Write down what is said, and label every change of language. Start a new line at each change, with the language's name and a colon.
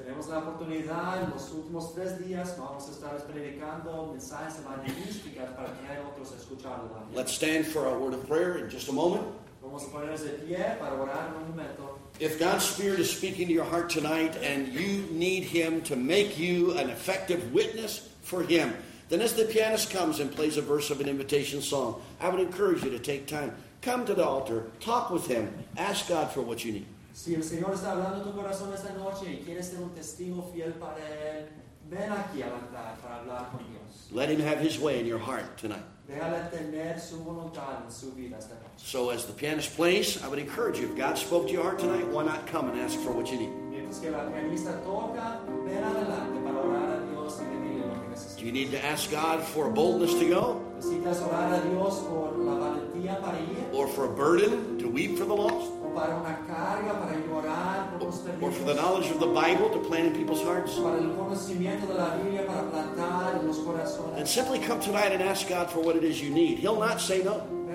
Spanish: Tenemos la oportunidad en los últimos tres días, vamos a estar predicando mensajes evangelísticos para que haya otros escucharlo también.
English: Let's stand for a word of prayer in just a moment.
Spanish: Vamos a ponernos de pie para orar en un momento.
English: If God's Spirit is speaking to your heart tonight and you need Him to make you an effective witness for Him, then as the pianist comes and plays a verse of an invitation song, I would encourage you to take time. Come to the altar, talk with Him, ask God for what you need.
Spanish: Si el Señor está hablando tu corazón esta noche y quieres ser un testigo fiel para Él, ven aquí al altar para hablar con Dios.
English: Let Him have His way in your heart tonight.
Spanish: Déjale tener su voluntad en su vida esta noche.
English: So as the pianist plays, I would encourage you, if God spoke to your heart tonight, why not come and ask for what you need?
Spanish: Mientras que la pianista toca, ven adelante para orar a Dios y pedirle lo que necesitas.
English: Do you need to ask God for a boldness to go?
Spanish: ¿Necesitas orar a Dios por la valentía para ir?
English: Or for a burden to weep for the lost?
Spanish: Para una carga, para llorar,
English: or for the knowledge of the Bible to plant in people's hearts,
Spanish: para el conocimiento de la Biblia, para plantar en los corazones.
English: And simply come tonight and ask God for what it is you need. He'll not say no.